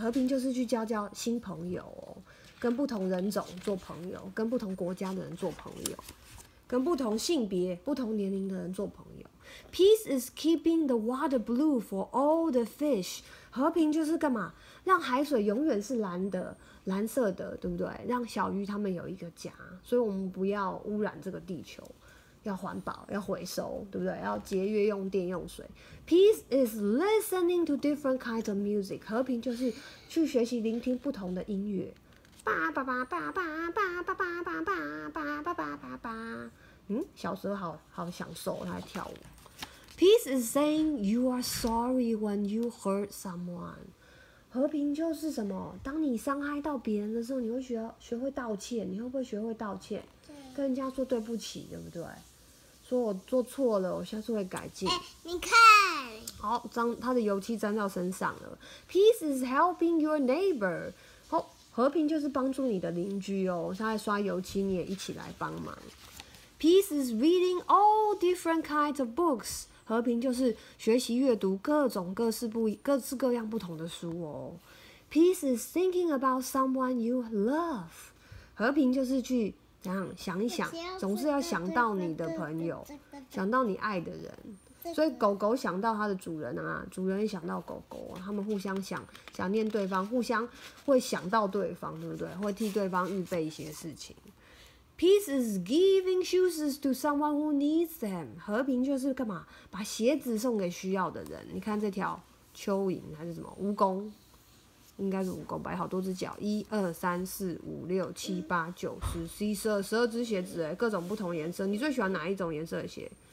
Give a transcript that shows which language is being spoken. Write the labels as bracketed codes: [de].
[zh] 和平就是去交新朋友哦，跟不同人种做朋友，跟不同国家的人做朋友，跟不同性别、不同年龄的人做朋友。 [en] Peace is keeping the water blue for all the fish。 [zh] 和平就是干嘛？让海水永远是蓝的，蓝色的，对不对？让小鱼他们有一个家，所以我们不要污染这个地球，要环保，要回收，对不对？要节约用电用水。 [en] Peace is listening to different kinds of music。 [zh] 和平就是去学习聆听不同的音乐。叭叭叭叭叭叭叭叭叭叭叭叭叭叭叭。嗯，小时候好享受，他在跳舞。 [en] Peace is saying you are sorry when you hurt someone。 [zh] 和平就是什么？当你伤害到别人的时候，你会学会道歉。你会不会学会道歉？跟人家说对不起，对不对？说我做错了，我下次会改进。你看，好，他的油漆沾到身上了。 [en] Peace is helping your neighbor。 [zh] 和平就是帮助你的邻居哦。他在刷油漆，你也一起来帮忙。 [en] Peace is reading all different kinds of books。 [zh] 和平就是学习阅读各式各样不同的书哦。 [en] Peace is thinking about someone you love。 [zh] 和平就是去想一想，总是要想到你的朋友，想到你爱的人。所以狗狗想到它的主人啊，主人也想到狗狗，他们互相想念对方，互相会想到对方，对不对？会替对方预备一些事情。 [en] Peace is giving shoes to someone who needs them。 [zh] 和平就是干嘛？把鞋子送给需要的人。你看这条蚯蚓还是什么蜈蚣？应该是蜈蚣，摆好多只脚，一二三四五六七八九十十一十二十二只鞋子，各种不同颜色。你最喜欢哪一种颜色的鞋？